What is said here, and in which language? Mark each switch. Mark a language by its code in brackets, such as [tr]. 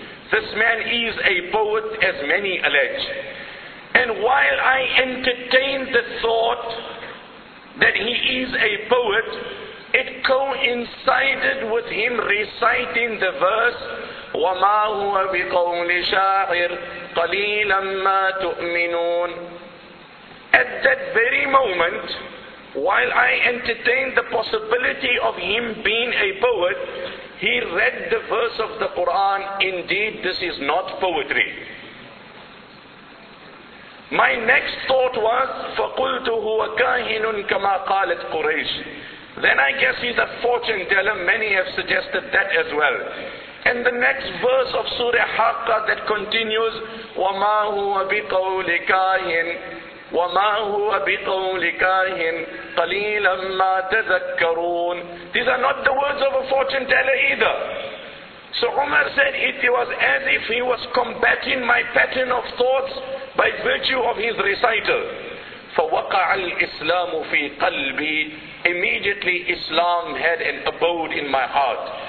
[en] This man is a poet, as many allege. And while I entertained the thought that he is a poet, it coincided with him reciting the verse, [ar] وَمَا هُوَ بِقَوْلِ شَاعِرٌ قَلِيلًا مَا تُؤْمِنُونَ. [en] At that very moment, while I entertained the possibility of him being a poet, he read the verse of the Quran, indeed this is not poetry. My next thought was, [ar] فَقُلْتُ هُوَ كَاهِنٌ كَمَا قَالَتْ قُرَيْشٌ. [en] Then I guess he's a fortune teller, many have suggested that as well. And the next verse of Surah Haqqa that continues, [ar] وَمَا هُوَ بِقَوْلِ كَاهِنٌ وَمَا هُوَ بِقَوْلِ كَاهِنٍ قَلِيلًا مَا تَذَكَّرُونَ. [en] These are not the words of a fortune teller either. So Umar said it was as if he was combating my pattern of thoughts by virtue of his recital. [ar] فَوَقَعَ الْإِسْلَامُ فِي قَلْبِي. [en] Immediately Islam had an abode in my heart.